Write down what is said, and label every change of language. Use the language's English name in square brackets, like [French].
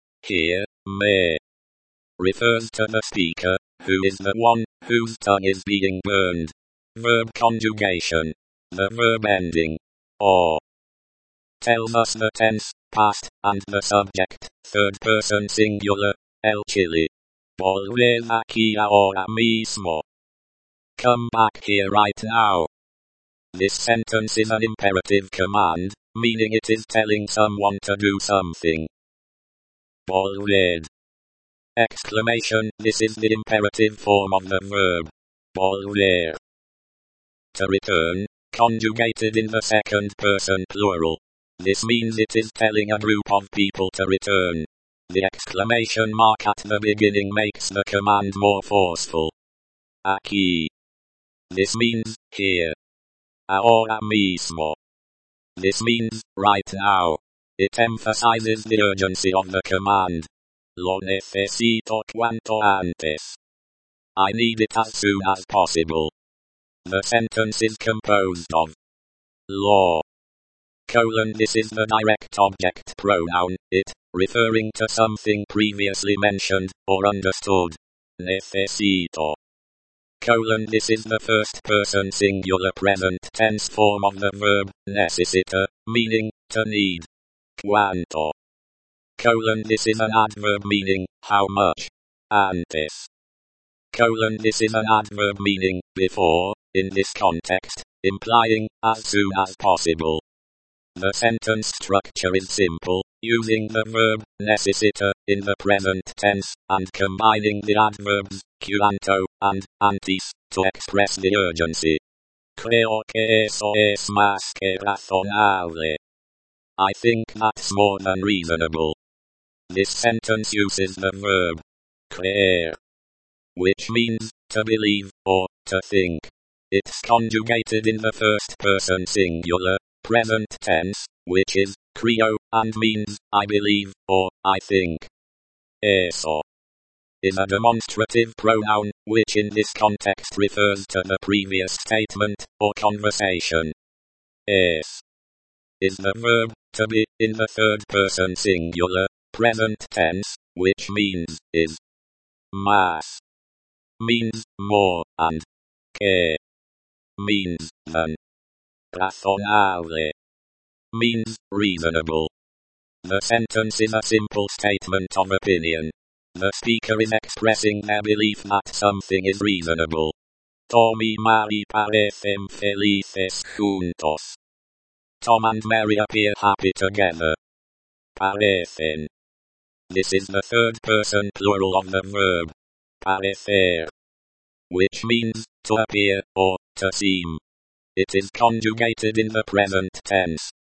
[English] Here, me refers to the speaker, who is the one whose tongue is being burned. Verb conjugation, the verb ending, or, tells us the tense, past, and the subject, third person singular, el chile. [Spanish] Volver aquí ahora mismo. [English] Come back here right now. This sentence is an imperative command, meaning it is telling someone to do something. Volver. Exclamation, this is the imperative form of the verb. Volver. To return, conjugated in the second person plural. This means it is telling a group of people to return. The exclamation mark at the beginning makes the command more forceful. Aquí. This means, here. [Spanish] Ahora mismo. [English] This means, right now. It emphasizes the urgency of the command. [Spanish] Lo necesito cuanto antes. [English] I need it as soon as possible. The sentence is composed of lo, colon, this is the direct object pronoun, it, referring to something previously mentioned or understood. Necesito, colon, this is the first person singular present tense form of the verb necesita, meaning to need. Cuanto, colon, this is an adverb meaning how much. Antes, colon, this is an adverb meaning before. In this context, implying, as soon as possible. The sentence structure is simple, using the verb, necesita, in the present tense, and combining the adverbs, cuanto, and, antes, to express the urgency. [Spanish] Creo que eso es más que razonable. [English] I think that's more than reasonable. This sentence uses the verb, creer, which means, to believe, or, to think. It's conjugated in the first person singular, present tense, which is, creo, and means, I believe, or, I think. Eso. is a demonstrative pronoun, which in this context refers to the previous statement, or conversation. S is the verb, to be, in the third person singular, present tense, which means, is. Mas means, more, and que means, than. Razonable means, reasonable. The sentence is a simple statement of opinion. The speaker is expressing their belief that something is reasonable. [Spanish] Tom y Mary parecen felices juntos. [English] Tom and Mary appear happy together. Parecen. This is the third person plural of the verb. Parecer. Which means, to appear, or, to seem. It is conjugated in the present tense.